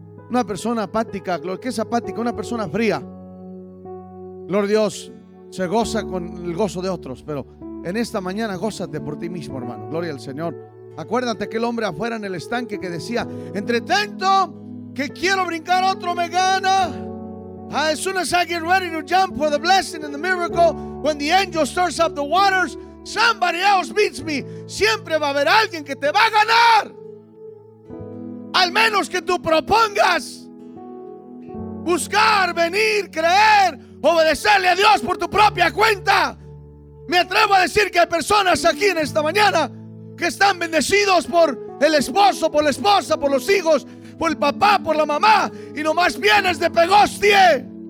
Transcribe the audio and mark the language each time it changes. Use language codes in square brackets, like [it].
[es] Una persona apática, ¿qué es apática? Una persona fría. Gloria a Dios, se goza con el gozo de otros, pero en esta mañana gózate por ti mismo, hermano. Gloria al Señor. Acuérdate aquel hombre afuera en el estanque que decía: entre tanto que quiero brincar, otro me gana. [en] As soon as I get ready to jump for the blessing and the miracle, when the angel stirs up the waters, somebody else beats me. [es] Siempre va a haber alguien que te va a ganar. Al menos que tú propongas buscar, venir, creer, obedecerle a Dios por tu propia cuenta. Me atrevo a decir que hay personas aquí en esta mañana que están bendecidos por el esposo, por la esposa, por los hijos, por el papá, por la mamá, y nomás vienes de pegostie.